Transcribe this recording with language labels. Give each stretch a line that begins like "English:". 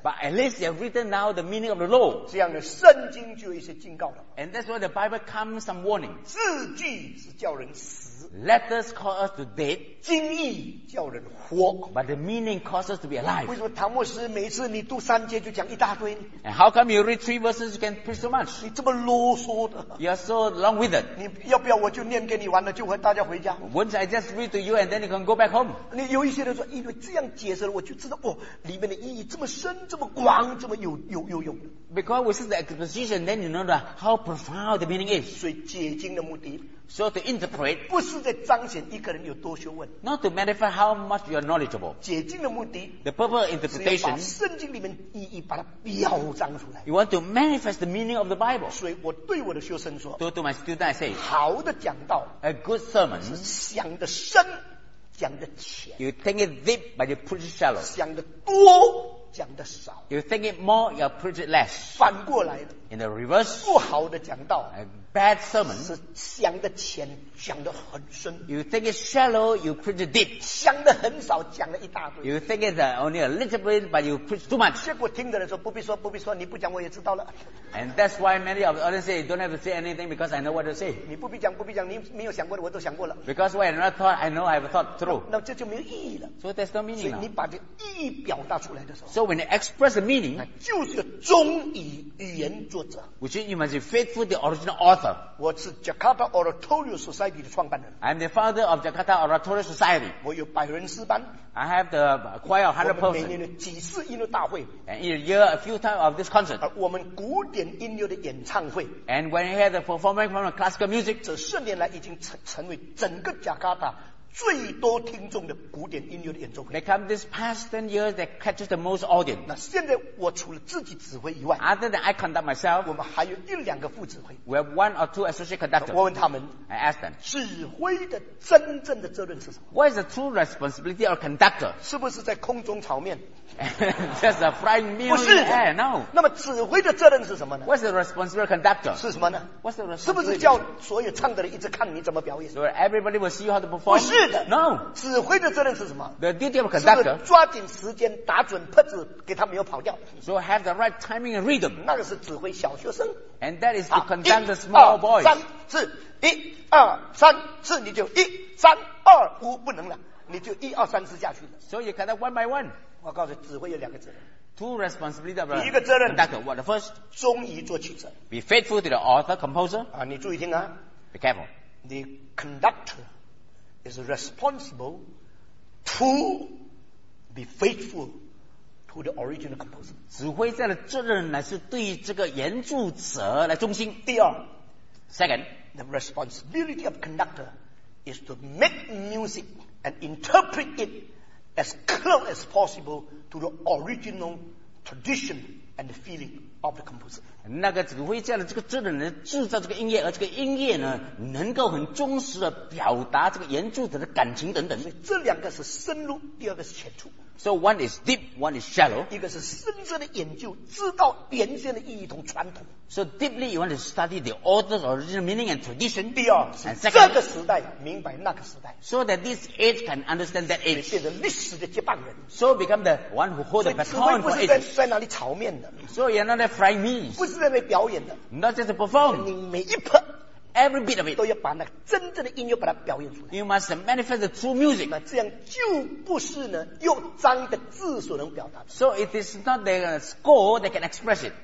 English: But at least you have written now the meaning of the law.
Chinese: 这样的圣经就有一些警告了。
English: And that's why the Bible comes some warning.
Chinese: 字句是叫人死。
English: Letters call us to death.
Chinese: 经义叫人活。
English: But the meaning causes us to be alive.
Chinese: 为什么唐牧师每次你读三节就讲一大堆？
English: And how come you read three verses you can preach so much?
Chinese: 你这么啰嗦的。
English: You are so long with it.
Chinese: 你要不要我就念给你完了就和大家回家？
English: Once I just read to you and then you can go back home.
Chinese: 你有一些人说因为这样解释了我就知道哦里面的意义这么深这么广这么有用。
English: Because we see the exposition, then you know that how profound the meaning is.
Chinese: 所以解经的目的。
English: So to interpret.
Chinese: 不是在彰显一个人有多学问。
English: Not to manifest how much you are knowledgeable.
Chinese: 解经的目的。
English: The purpose of interpretation.
Chinese: 是要把圣经里面意义把它表彰出来。
English: You want to manifest the meaning of the Bible.
Chinese: 所以我对我的学生说。
English: To my student, I say.
Chinese: 好的讲道。
English: A good sermon.
Chinese: 是想的深。讲的浅。
English: You think it deep, but you preach it shallow.
Chinese: 想的多。讲的少。
English: You think it more, you preach it less.
Chinese: 反过来的。
English: In the reverse.
Chinese: 不好的讲道。
English: A bad sermon.
Chinese: 是想的浅，讲的很深。
English: You think it shallow, you preach it deep.
Chinese: 想的很少，讲了一大堆。
English: You think it only a little bit, but you preach too much.
Chinese: 结果听的人说不必说，不必说，你不讲我也知道了。
English: And that's why many of the audience say, don't have to say anything because I know what to say.
Chinese: 你不必讲，不必讲，你没有想过的我都想过了。
English: Because when I thought, I know I have thought through.
Chinese: 那这就没有意义了。
English: So there's no meaning.
Chinese: 所以你把这意义表达出来的时候。
English: So when you express the meaning,
Chinese: 那就是个忠于语言作者。
English: Which means you must be faithful to the original author.
Chinese: 我是 Jakarta Oratorio Society 的创办人。
English: I'm the founder of Jakarta Oratorio Society.
Chinese: 我有百人诗班。
English: I have the choir of 100 persons.
Chinese: 我们每年几次音乐大会。
English: And each year a few times of this concert.
Chinese: 而我们古典音乐的演唱会。
English: And when you hear the performing from the classical music.
Chinese: 这十年来已经成为整个 Jakarta 最多听众的古典音乐的演奏会。
English: They come this past 10 years that catches the most audience.
Chinese: 那现在我除了自己指挥以外
English: ，Other than I conduct myself，
Chinese: 我们还有一两个副指挥。
English: We have one or two associate conductors.
Chinese: 我问他们
English: ，I ask them，
Chinese: 指挥的真正的责任是什么
English: ？What is the true responsibility of conductor？
Chinese: 是不是在空中炒面
English: ？Just a frying meal？
Chinese: 不是
English: ，Yeah, no。
Chinese: 那么指挥的责任是什么呢
English: ？What's the responsibility of conductor？
Chinese: 是什么呢
English: ？What's the
Chinese: responsibility？ 是不是叫所有唱的人一直看你怎么表演
English: ？So everybody will see you how to perform。
Chinese: 不是。
English: No，
Chinese: 指挥的责任是什么
English: ？The duty of conductor
Chinese: 是抓紧时间打准拍子，给他没有跑掉。
English: So have the right timing and rhythm。
Chinese: 那个是指挥小学生。
English: And that is to conduct the small boys。
Chinese: 三四一二三四，你就一三二五不能了，你就一二三四下去了。
English: So you conduct one by one。
Chinese: 我告诉你，指挥有两个责任。
English: Two responsibilities of a
Chinese: conductor. 第一个责任
English: ，conductor what the first，
Chinese: 忠于作曲者。
English: Be faithful to the author composer。
Chinese: 啊，你注意听啊。
English: Be careful。 The conductor。 Is responsible to be faithful to the original composer.
Chinese: 指挥家的责任呢是对这个原著者来忠心。第二
English: ，second, the responsibility of conductor is to make music and interpret it as close as possible to the original tradition and the feeling of the composer.
Chinese: 那个指挥家的这个责任呢，制造这个音乐，而这个音乐呢，能够很忠实的表达这个演奏者的感情等等。所以这两个是深入，第二个是浅出。
English: So one is deep, one is shallow.
Chinese: 一个是深深的研究，知道原先的意义同传统。
English: So deeply you want to study the order, original meaning and tradition.
Chinese: 第二是这个时代明白那个时代。
English: So that this age can understand that age.
Chinese: 变成历史的接棒人。
English: So become the one who hold the baton for ages.
Chinese: 不是在哪里炒面的。
English: So you're not a fry me.
Chinese: 不是在那表演的。
English: Not just perform.
Chinese: 你每一拍。
English: Every bit of it.
Chinese: 都要把那个真正的音乐把它表演出来。
English: You must manifest the true music.
Chinese: 那这样就不是呢用脏的字所能表达的。
English: So it is not the score that can express it.